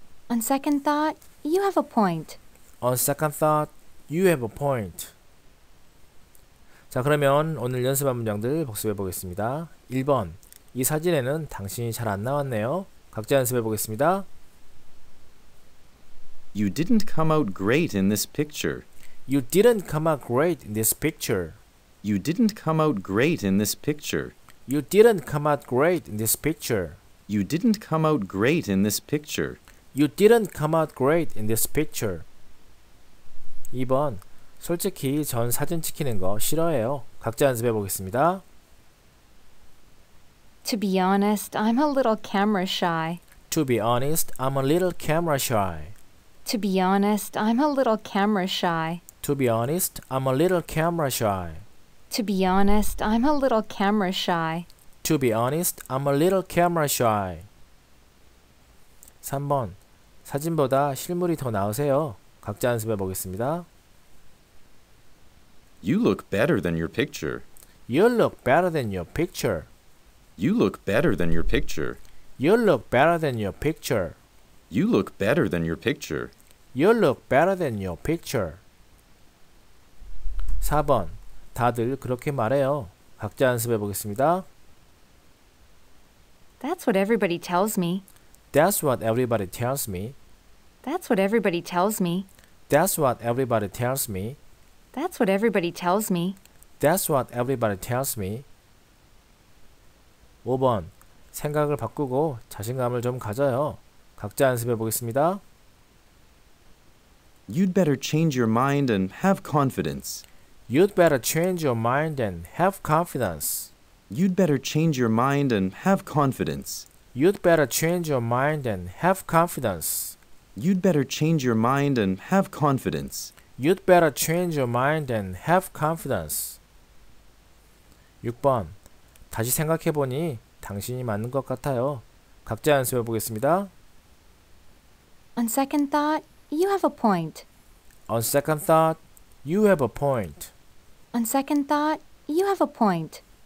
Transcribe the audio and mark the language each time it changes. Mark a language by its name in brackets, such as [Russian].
[English] On second thought, you have a point. On second thought, you have a point. [Korean] 자, 그러면 오늘 연습한 문장들 복습해 보겠습니다. 1번. 이 사진에는 당신이 잘 안 나왔네요. 각자 연습해 보겠습니다. [English] You didn't come out great in this picture. You didn't come out great in this picture. You didn't come out great in this picture. You didn't come out great in this picture. You didn't come out great in this picture. You didn't come out great in this picture. [Korean] 2번. 솔직히 전 사진 찍히는 거 싫어해요. 각자 연습해 보겠습니다. [English] To be honest, I'm a little camera shy. To be honest, I'm a little camera shy. To be honest, I'm a little camera shy. To be honest, I'm a little camera shy. To be honest, I'm a little camera shy. To be honest, I'm a little camera shy. [Korean] 3번. 사진보다 실물이 더 나으세요. 각자 연습해 보겠습니다. [English] You look better than your picture. You look better than your picture. You look better than your picture. You look better than your picture. You look better than your picture. You look better than your picture. [Korean] 4번. 다들 그렇게 말해요. 각자 연습해 보겠습니다. [English] That's what everybody tells me. That's what everybody tells me. That's what everybody tells me. That's what everybody tells me. That's what everybody tells me. That's what everybody tells me. [Korean] 5번. 생각을 바꾸고 자신감을 좀 가져요. 각자 연습해 보겠습니다. [English] You'd better change your mind and have confidence. You'd better change your mind and have confidence. You'd better change your mind and have confidence. You'd better change your mind and have confidence. You'd better change your mind and have confidence. You'd better change your mind and have confidence. [Korean] 6번. 다시 생각해 보니 당신이 맞는 것 같아요. 각자 연습해 보겠습니다. [English] On second thought, you have a point. On second thought, you have a point. On second thought, you have a point.